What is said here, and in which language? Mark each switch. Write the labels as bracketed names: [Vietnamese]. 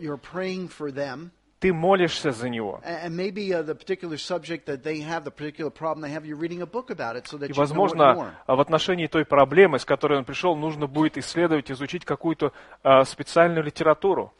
[English] You're praying for them. [Russian] Ты молишься за него. [English] And maybe the particular subject that they have, the particular problem they have, you're reading a book about it, so that you know more. [Russian] И, возможно, в отношении той проблемы, с которой он пришел, нужно будет исследовать, изучить какую-то специальную литературу.